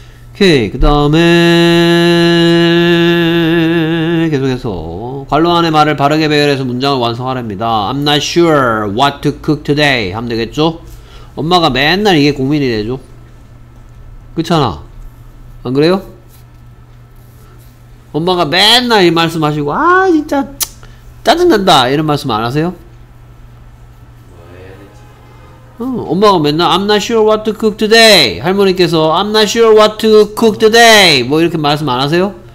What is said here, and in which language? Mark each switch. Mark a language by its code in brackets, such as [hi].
[ko] 오케이 그 다음에 계속해서 관로 안의 말을 바르게 배열해서 문장을 완성하랍니다. [en] I'm not sure what to cook today [ko] 하면 되겠죠? 엄마가 맨날 이게 고민이 되죠? 그렇잖아? 안 그래요? 엄마가 맨날 이 말씀하시고 아 진짜 짜증난다 이런 말씀 안 하세요? 엄마가 맨날 [en] I'm not sure what to cook today [ko] 할머니께서 I'm not sure what to cook today 뭐 이렇게 말씀 안 하세요?